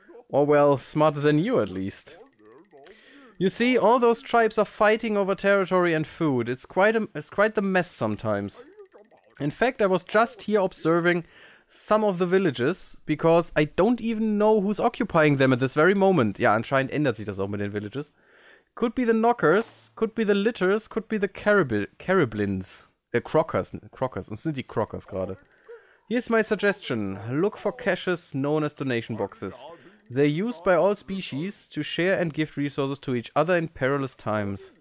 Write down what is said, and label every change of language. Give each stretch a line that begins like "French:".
English: Or well, smarter than you at least. You see, all those tribes are fighting over territory and food. It's quite the mess sometimes. In fact, I was just here observing some of the villages, because I don't even know who's occupying them at this very moment.
German: Ja, anscheinend ändert sich das auch mit den Villages.
English: Could be the Knockers, could be the Litters, could be the Carablins.
German: Crockers. Und sind die Crockers gerade.
English: Here's my suggestion. Look for caches known as donation boxes. They're used by all species to share and gift resources to each other in perilous times.